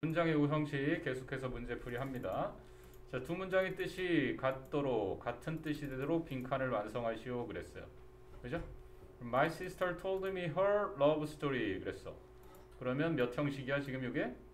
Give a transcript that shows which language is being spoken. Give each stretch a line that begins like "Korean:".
Korean: 문장의 구성식 계속해서 문제 풀이합니다. 자, 두 문장의 뜻이 같도록 같은 뜻이 되도록 빈칸을 완성하시오 그랬어요. 그죠?
English: My sister told me her love story
Korean: 그랬어. 그러면 몇 형식이야 지금 이게?